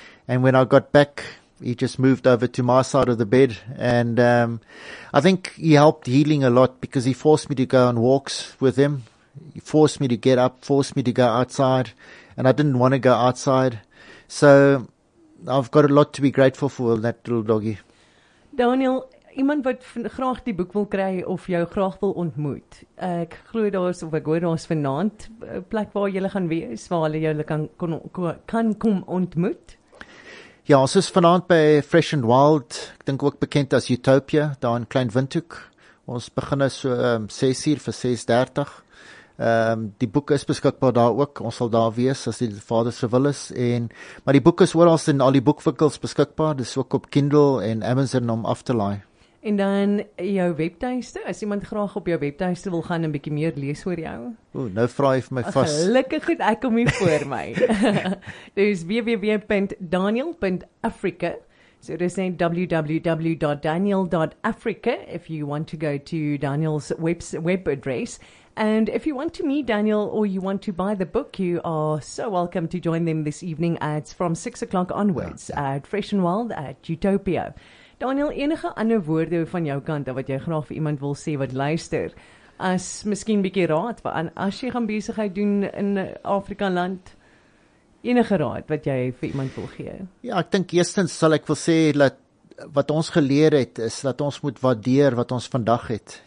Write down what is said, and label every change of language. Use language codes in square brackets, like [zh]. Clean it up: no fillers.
[en] And when I got back, he just moved over to my side of the bed. And I think he helped healing a lot because he forced me to go on walks with him. He forced me to get up, forced me to go outside. And I didn't want to go outside. So I've got a lot to be grateful for with that little doggy. [af] Daniel, iemand wat graag die boek wil kry of jou graag wil ontmoet. Ek glo daar's of ek hoor daar's vanaand 'n plek waar jy gaan wees waar hulle jou kan kom ontmoet. Ja, ons is vanaand by Fresh and Wild. Ek dink ook bekend as Utopia daar in Klein Windhoek. Ons begin is so 6:00 vir 6:30. Die boek is beskikbaar daar ook. Ons sal daar wees as die Vader se wil is. En, maar die boek is oral in al die boekwinkels beskikbaar. Dis ook op Kindle en Amazon om af te laai. En dan jou webtuiste. As iemand graag op jou webtuiste wil gaan en bietjie meer lees oor jou. Oeh, nou vraag jy vir my vas. Gelukkig goed, ek kom hier voor my. Dis www.daniel.africa. [en] So it is saying www.daniel.africa if you want to go to Daniel's web address. And if you want to meet Daniel or you want to buy the book, you are so welcome to join them this evening at from 6:00 onwards at Fresh and Wild at Utopia. [af] Daniel, enige ander woorde van jou kant wat jy graag vir iemand wil sê wat luister, as miskien bietjie raad vir as jy gaan besigheid doen in Afrika land? Enige raad wat jy vir iemand wil gee? Ja, ek dink eerstens sal ek wil sê dat wat ons geleer het is dat ons moet waardeer wat ons vandag het.